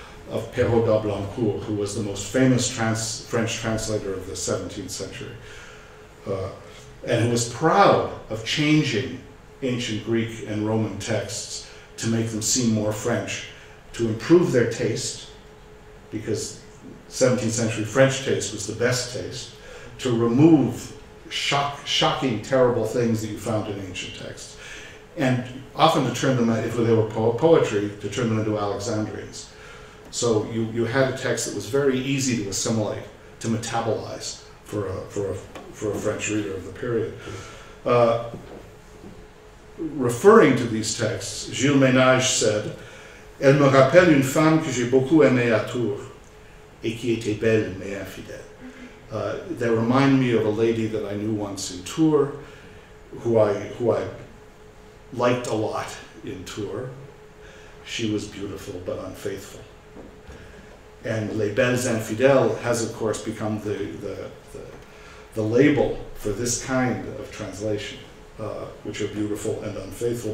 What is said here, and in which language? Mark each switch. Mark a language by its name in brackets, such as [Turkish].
[English] of Perrault d'Ablancourt, who was the most famous French translator of the 17th century, and who was proud of changing ancient Greek and Roman texts to make them seem more French, to improve their taste, because 17th century French taste was the best taste, to remove shocking, terrible things that you found in ancient texts, and often to turn them, if they were poetry, to turn them into Alexandrians. So you had a text that was very easy to assimilate, to metabolize for a French reader of the period. [French] Referring to these texts, Gilles Ménage said, "Elle me rappelle une femme que j'ai beaucoup aimée à Tours, et qui était belle mais infidèle." [English] They remind me of a lady that I knew once in Tours, who I liked a lot in Tours. She was beautiful but unfaithful. And Les Belles Infidèles has, of course, become the label for this kind of translation, which are beautiful and unfaithful.